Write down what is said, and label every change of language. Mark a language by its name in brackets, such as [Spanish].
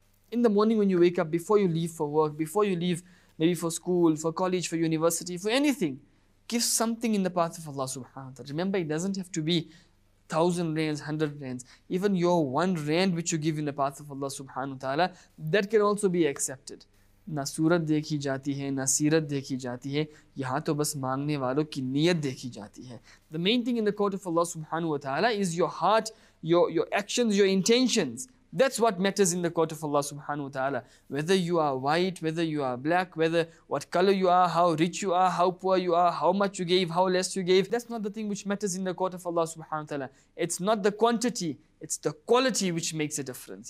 [English] In the morning when you wake up, before you leave for work, before you leave maybe for school, for college, for university, for anything, give something in the path of Allah subhanahu wa ta'ala. Remember, it doesn't have to be 1,000 rands, 100 rands. Even your 1 rand which you give in the path of Allah subhanahu wa ta'ala, that can also be accepted. [Urdu] نہ صورت دیکھی جاتی ہے نہ سیرت دیکھی جاتی ہے یہاں تو بس مانگنے والوں کی نیت دیکھی جاتی ہے. [English] The main thing in the court of Allah subhanahu wa ta'ala is your heart, your actions, your intentions. That's what matters in the court of Allah subhanahu wa ta'ala. Whether you are white, whether you are black, whether what color you are, how rich you are, how poor you are, how much you gave, how less you gave. That's not the thing which matters in the court of Allah subhanahu wa ta'ala. It's not the quantity, it's the quality which makes a difference.